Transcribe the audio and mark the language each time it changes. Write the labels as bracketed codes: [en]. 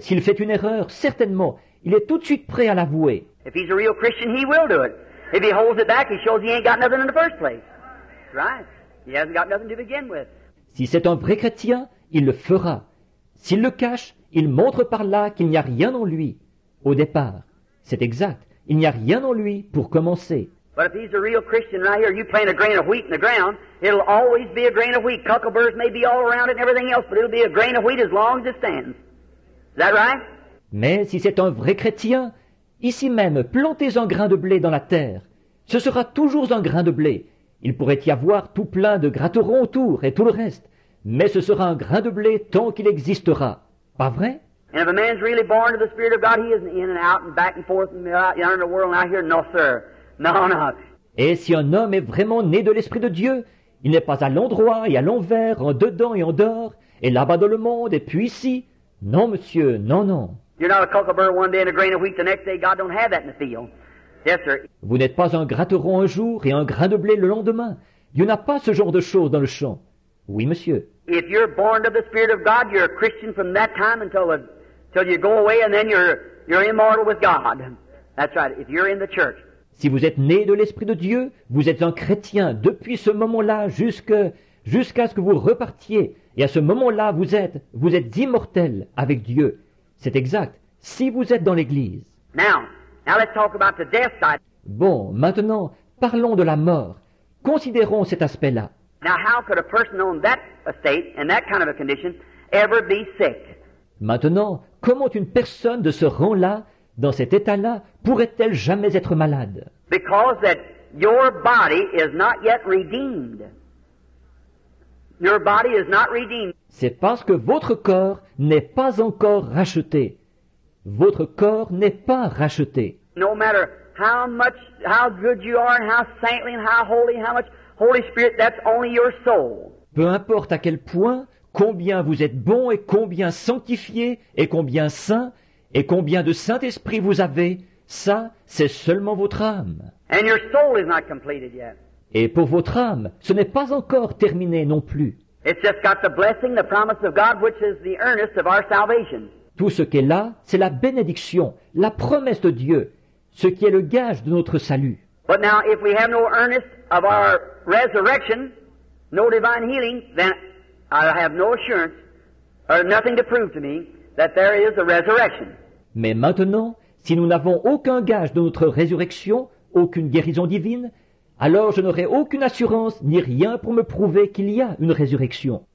[fr] S'il fait une erreur, certainement, il est tout de suite prêt à l'avouer. [en] If he's a real Christian, he will do it. If he holds it back, he shows he ain't got nothing in the first place. Right? He hasn't got nothing to begin with. [fr] Si c'est un vrai chrétien, il le fera. S'il le cache, il montre par là qu'il n'y a rien en lui. Au départ, c'est exact. Il n'y a rien en lui pour commencer. [en] But if he's a real Christian right here, you plant a grain of wheat in the ground, it'll always be a grain of wheat. Cuckleburrs may be all around it and everything else, but it'll be a grain of wheat as long as it stands. Is that right? [fr] Mais si c'est un vrai chrétien, ici même, plantez un grain de blé dans la terre. Ce sera toujours un grain de blé. Il pourrait y avoir tout plein de gratterons autour et tout le reste, mais ce sera un grain de blé tant qu'il existera. Pas vrai? [en] And if a man's really born of the Spirit of God, he isn't in and out and back and forth and out in the world and out here. No, sir. No, no. [fr] Et si un homme est vraiment né de l'Esprit de Dieu, il n'est pas à l'endroit et à l'envers, en dedans et en dehors, et là-bas dans le monde, et puis ici. Non, monsieur, non, non. [en] You're not a cuckleburr one day and a grain of wheat the next day. God don't have that in the field. Yes, sir. [fr] Vous n'êtes pas un gratteron un jour et un grain de blé le lendemain. Il n'y a pas ce genre de choses dans le champ. Oui, monsieur. [en] If you're born of the Spirit of God, you're a Christian from that time until you go away, and then you're immortal with God. That's right. If you're in the church. [fr] Si vous êtes né de l'Esprit de Dieu, vous êtes un chrétien depuis ce moment-là jusqu'à ce que vous repartiez. Et à ce moment-là, vous êtes immortel avec Dieu. C'est exact. Si vous êtes dans l'Église. [en] Now, Now let's talk about the death side. [fr] Bon, maintenant, parlons de la mort. Considérons cet aspect-là. [en] Now how could a person on that estate, in that kind of a condition, ever be sick? [fr] Maintenant, comment une personne de ce rang-là, dans cet état-là, pourrait-elle jamais être malade? [en] Because that your body is not yet redeemed. Your body is not redeemed. [fr] C'est parce que votre corps n'est pas encore racheté. Votre corps n'est pas racheté. [en] No matter how much, how good you are, and how saintly, and how holy, how much Holy Spirit, that's only your soul. [fr] Peu importe à quel point, combien vous êtes bon et combien sanctifié et combien saint et combien de Saint-Esprit vous avez, ça, c'est seulement votre âme. [en] And your soul is not completed yet. [fr] Et pour votre âme, ce n'est pas encore terminé non plus. [en] It's just got the blessing, the promise of God, which is the earnest of our salvation. [fr] Tout ce qui est là, c'est la bénédiction, la promesse de Dieu, ce qui est le gage de notre salut. [en] But now, if we have no earnest of our resurrection, no divine healing, then I have no assurance or nothing to prove to me that there is a resurrection. [fr] Mais maintenant, si nous n'avons aucun gage de notre résurrection, aucune guérison divine, alors je n'aurai aucune assurance ni rien pour me prouver qu'il y a une résurrection.